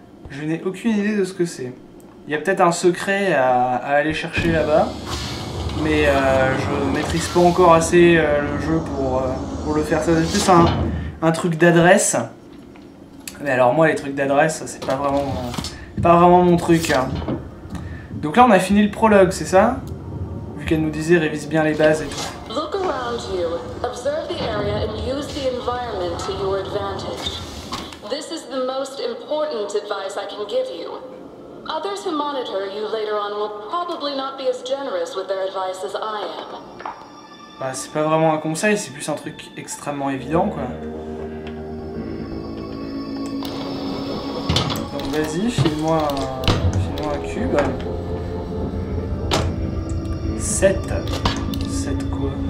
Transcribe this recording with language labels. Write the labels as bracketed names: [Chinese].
[French] Je n'ai aucune idée de ce que c'est. Il y a peut-être un secret à aller chercher là-bas, mais je maîtrise pas encore assez le jeu pour le faire. Ça, c'est plus un truc d'adresse. Mais alors moi, les trucs d'adresse, c'est pas vraiment mon truc. Hein. Donc là, on a fini le prologue, c'est ça? Vu qu'elle nous disait révise bien les bases et tout. [English] Look around you. around you, observe the area, and use the environment to your advantage. This is the most important advice I can give you. Others who monitor you later on will probably not be as generous with their advice as I am. [French] Bah, c'est pas vraiment un conseil, c'est plus un truc extrêmement évident, quoi. Donc, vas-y, file-moi un cube. 7. 7 quoi?